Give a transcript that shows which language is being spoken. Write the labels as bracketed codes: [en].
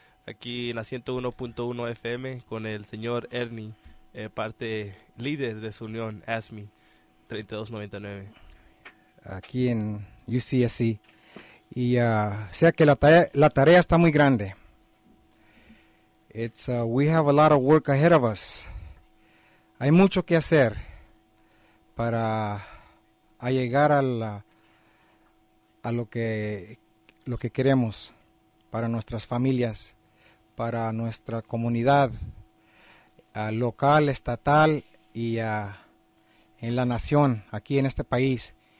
[es] Aquí en la 101.1 FM con el señor Ernie, parte líder de su unión, ASME 3299. Aquí en UCSC. Y o sea que la tarea está muy grande. [en] It's we have a lot of work ahead of us. [es] Hay mucho que hacer para a llegar a lo que queremos para nuestras familias, para nuestra comunidad local, estatal y en la nación, aquí en este país.